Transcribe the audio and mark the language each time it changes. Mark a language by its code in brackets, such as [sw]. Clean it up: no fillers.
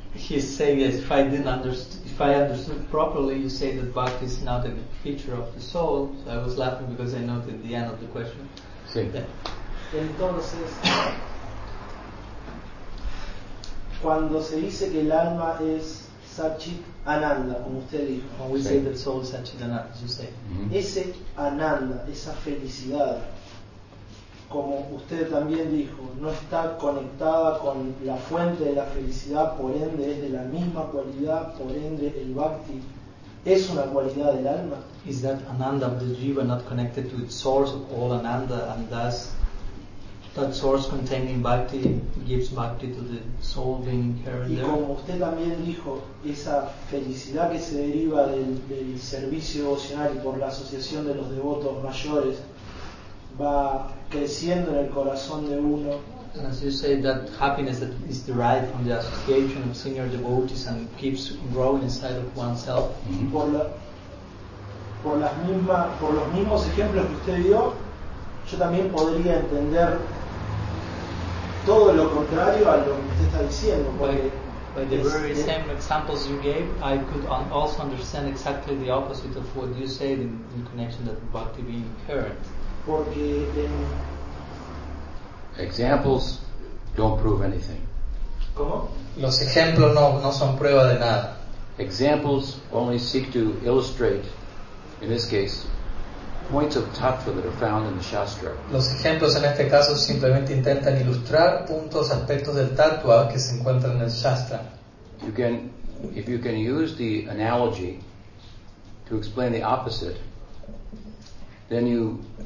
[en] He's saying that if I understood properly, you say that bhakti is not a feature of the soul. So I was laughing because I noted the end of the question. [es] Sí. Entonces, cuando se dice que el alma es Satchit Ananda, como usted dijo. [en] When we say that soul is Satchit Ananda, as you say. [es] Ese Ananda, esa felicidad, como usted también dijo, no está conectada con la fuente de la felicidad, por ende es de la misma cualidad, por ende el bhakti es una cualidad del alma. [en] Is that Ananda of the jiva not connected to its source of all Ananda, and thus that source containing bhakti gives bhakti to the soul being inherent there. [es] Y como usted también dijo, esa felicidad que se deriva del servicio devocional y por la asociación de los devotos mayores va creciendo en el corazón de uno. [en] And as you say, that happiness that is derived from the association of senior devotees and keeps growing inside of oneself. [es] Y por los mismos ejemplos que usted dio, yo también podría entender todo lo contrario a lo que usted está diciendo. [en] By the very same examples you gave, I could also understand exactly the opposite of what you said in connection that bhakti being current. [es] Porque [en] examples don't prove anything. [es] ¿Cómo? Los ejemplos no son prueba de nada. [en] Examples only seek to illustrate, in this case, points of tattva that are found in the shastra. [es] Los ejemplos en este caso simplemente intentan ilustrar puntos, aspectos del tattva que se encuentran en el shastra. [en] If you can use the analogy to explain the opposite, then you